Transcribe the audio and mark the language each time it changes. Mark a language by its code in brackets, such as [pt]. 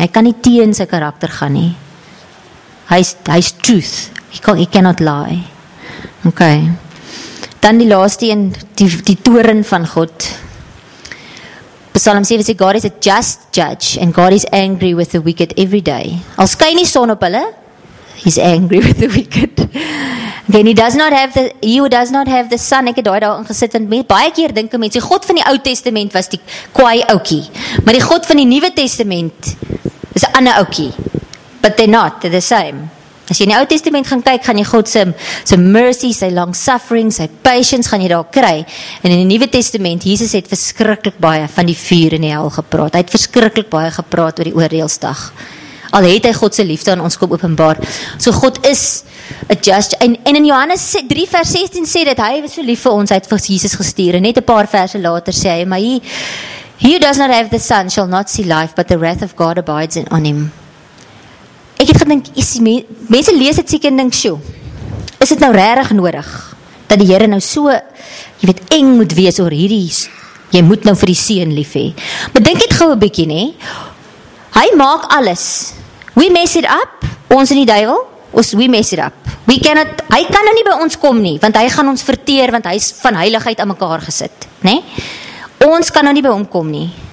[af] Hy kan nie teen sy karakter gaan nie. Hy is truth. [en] He cannot lie. [af] Okay. Dan die laaste een, die toren van God. [en] Psalm 7 sê, God is a just judge and God is angry with the wicked every day. [af] Al skyn die son op hulle, [en] he's angry with the wicked. Then he who does not have the son, [af] ek het daar ingesit, want baie keer dink mense, die God van die Ou Testament was die kwaai oukie, maar die God van die Nuwe Testament is 'n ander oukie. [en] But they're not, they're the same. [af] As jy in die Ou Testament gaan kyk, gaan jy God se mercy, sy long suffering, sy patience gaan jy daar kry. En in die Nuwe Testament, Jesus het verskriklik baie van die vuur in die hel gepraat. Hy het verskriklik baie gepraat oor die oordeelsdag. Al het hy God se liefde aan ons kom openbaar. [en] So God is a just, [af] en in Johannes 3 vers 16 sê dat hy was so lief vir ons, hy het vir Jesus gestuur. En net 'n paar verse later sê hy, maar [en] he who does not have the son shall not see life, but the wrath of God abides on him. [af] Ek het gedink, mense lees dit seker en dink, sjoe, is dit nou regtig nodig, dat die Here nou so, jy weet, eng moet wees oor hierdie, jy moet nou vir die seun lief hê. Maar dink dit gou 'n bietjie, nê, hy maak alles, [en] we mess it up, [af] ons in die duivel, we mess it up, [en] we cannot, [af] hy kan nou nie by ons kom nie, want hy gaan ons verteer, want hy is van heiligheid aan mekaar gesit, nê, ons kan nou nie by hom kom nie.